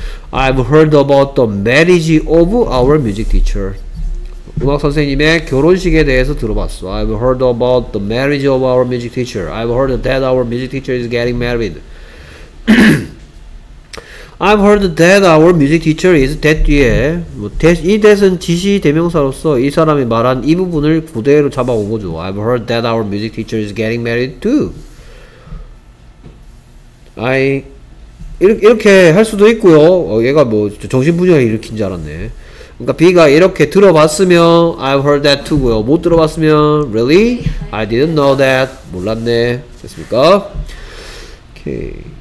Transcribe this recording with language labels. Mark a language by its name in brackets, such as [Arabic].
[English] I've heard about the marriage of our music teacher. [Korean] 음악 선생님의 결혼식에 대해서 들어봤어. [English] I've heard about the marriage of our music teacher. I've heard that our music teacher is getting married. [Korean] I've heard that our music teacher is that 뒤에 뭐 이 that은 지시 대명사로서 이 사람이 말한 이 부분을 그대로 잡아온 거죠. [English] I've heard that our music teacher is getting married too. [Korean] I 이렇게 할 수도 있고요. 얘가 뭐 정신분열 일으킨 줄 알았네. 그러니까 B가 이렇게 들어봤으면 I've heard that too 고요. 못 들어봤으면 really? I didn't know that. 몰랐네. 됐습니까? 오케이.